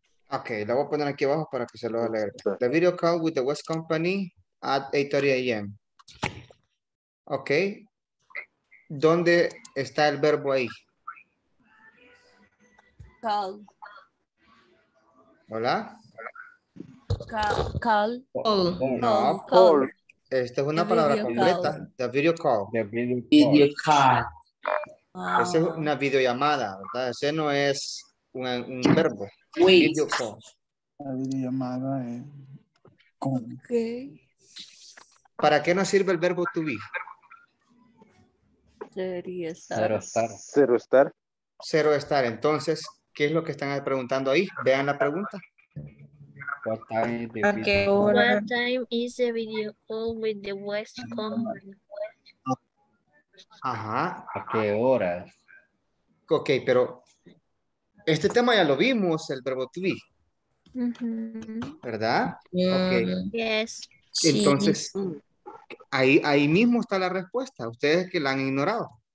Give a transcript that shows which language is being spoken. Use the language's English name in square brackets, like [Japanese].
[Spanish] Ok, la voy a poner aquí abajo para que se lo lea. [English] The video call with the West Company at 8:30 a.m. [Spanish] Ok. ¿Dónde está el verbo ahí? [English] Call. [Spanish] ¿Hola? [English] Call. Call. [Spanish] No, call. Esta es una palabra completa. [English] The video call. The video call. [Spanish] Wow. Esa es una videollamada, ¿verdad? Ese no es un verbo. [English] Wait. Video call. [Spanish] La videollamada es con. [English] Okay. [Spanish] ¿Para qué nos sirve el verbo to be? Sería estar. Cero estar. Cero estar. Cero estar. Entonces, ¿qué es lo que están preguntando ahí? Vean la pregunta. [English] What time is the video call? What time is the video call with the West Company? Ajá. [Spanish] ¿A qué horas? Ok, pero este tema ya lo vimos, el verbo to be. Uh-huh. ¿Verdad? [English] Okay. Yes. [Spanish] Entonces, sí. ahí mismo está la respuesta. Ustedes que la han ignorado.